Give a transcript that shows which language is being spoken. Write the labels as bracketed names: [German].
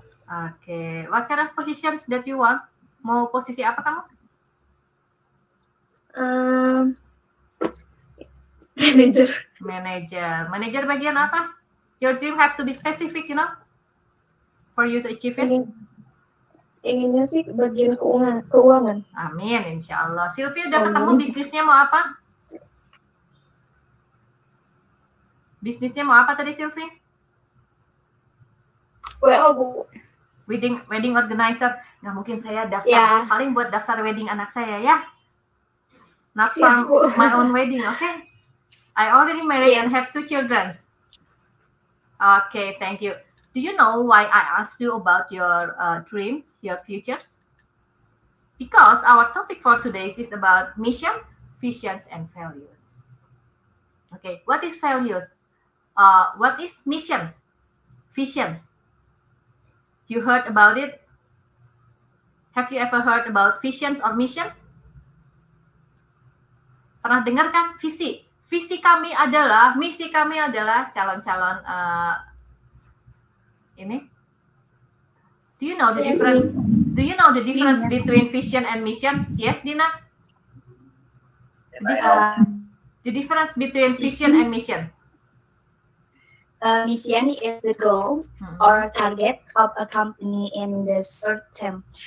[English] Oke, okay. What kind of positions that you want? [Indonesian] Mau posisi apa kamu? [English] Manager. [Indonesian] Manager bagian apa? [English] Your dream have to be specific, you know, for you to achieve it. [Indonesian] Inginnya sih bagian keuangan. Amin, insya Allah. Sylvie udah ketemu bisnisnya mau apa? Bisnisnya mau apa tadi, Sylvie? [English] Well, Bu. Wedding organizer. [Indonesian] Nggak mungkin saya daftar. Yeah. Paling buat daftar wedding anak saya, ya. [English] Not from my own wedding, okay? I already married, yes, and have two children. Okay, thank you. Do you know why I asked you about your dreams, your futures? Because our topic for today is about mission, visions, and values. Okay, what is values? What is mission, visions? You heard about it? Have you ever heard about visions or missions? [Indonesian] Pernah dengar kan visi? Visi kami adalah, misi kami adalah calon-calon ini. [English] Do you know the difference? Do you know the difference between vision and mission? Yes, Dina. The difference between vision and mission. Mission is the goal or target of a company in the short term.